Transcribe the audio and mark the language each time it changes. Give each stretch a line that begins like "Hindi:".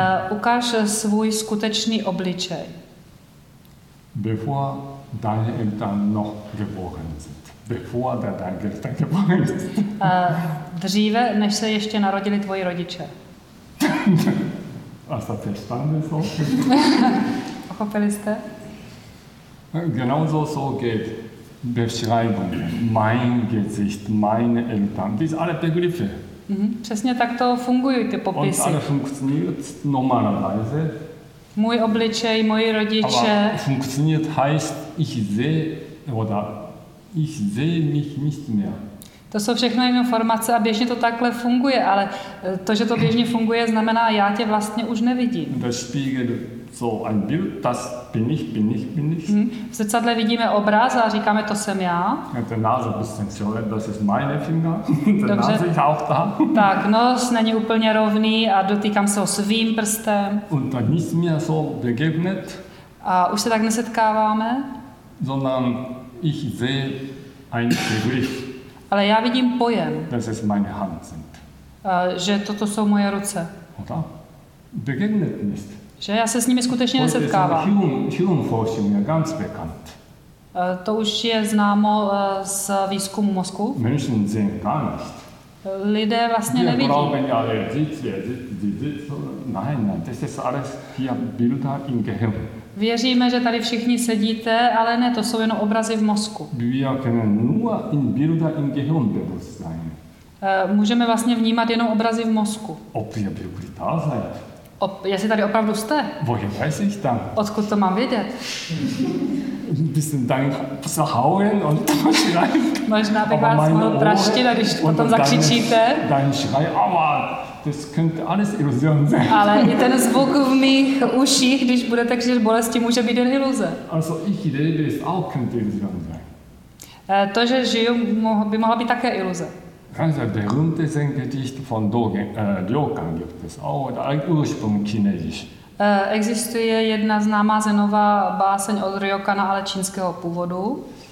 Czech: Ukáž svůj skutečný obličej.
German: Bevor deine Eltern noch geboren sind, bevor der dein Eltern geboren ist.
Czech: Dříve, než se ještě narodili tvoji rodiče.
German: A sa verstanden so?
Czech: Pochopili jste?
German: Genauso so geht Beschreibung. Mein Gesicht, meine Eltern, diese alle Begriffe.
Czech: Přesně tak to fungují ty popisy.
German: Und alle funktioniert normalerweise.
Czech: Můj obličej, moji rodiče.
German: Aber funktioniert heißt, ich sehe oder ich sehe mich nicht mehr.
Czech: To jsou všechno informace a běžně to takhle funguje, ale to, že to běžně funguje, znamená, já tě vlastně už nevidím.
German: Das Spiegel, so ein Bild, das bin ich, bin ich, bin ich.
Czech: V zrcadle vidíme obraz a říkáme, to jsem já.
German: Ten Nase bisschen so, das ist meine Finger, ten Nase ist auch da.
Czech: Tak, nos není úplně rovný a dotýkám se ho svým prstem.
German: Und dann nicht mehr so begegnet.
Czech: A už se tak nesetkáváme.
German: Sondern ich sehe ein Begriff.
Czech: Ale já vidím pojem.
German: Das ist meine Hand sind.
Czech: Že toto jsou moje ruce.
German: Oda? Begegnet nicht.
Czech: Že já se s nimi skutečně nesetkávám.
German: Hirnforschung, ganz bekannt.
Czech: To už je známo z výzkumu mozku.
German: Menschen sehen gar nicht.
Czech: Lidé vlastně
German: wir
Czech: nevidí.
German: Glauben, ja, nein, das ist alles hier Bilder im Gehirn.
Czech: Věříme, že tady všichni sedíte, ale ne, to jsou jenom obrazy v mozku.
German: Wir können nur in Bilder im Gehirn bewusst sein.
Czech: Můžeme vlastně vnímat jenom obrazy v mozku.
German: Ob wir wirklich da sein?
Czech: Jestli tady opravdu jste?
German: Woher weiß ich dann?
Czech: Odkud to mám vědět?
German: Bisschen dann zuhauen und dann schreien.
Czech: Možná bych vás mohl praštit, když potom zakřičíte.
German: Dann schreien, aber das könnte alles Illusion sein.
Czech: Ale i ten zvuk v mých uších, když budete křičet bolesti, může být jen iluze.
German: Also ich lebe, es auch könnte Illusion sein.
Czech: To, že žiju, by mohla být také iluze.
German: Ganz ein berühmtes Gedicht von Dogen gibt es auch, oder Ursprung chinesisch.
Czech: Existuje jedna známá Zenová báseň od Ryokana, ale čínského původu.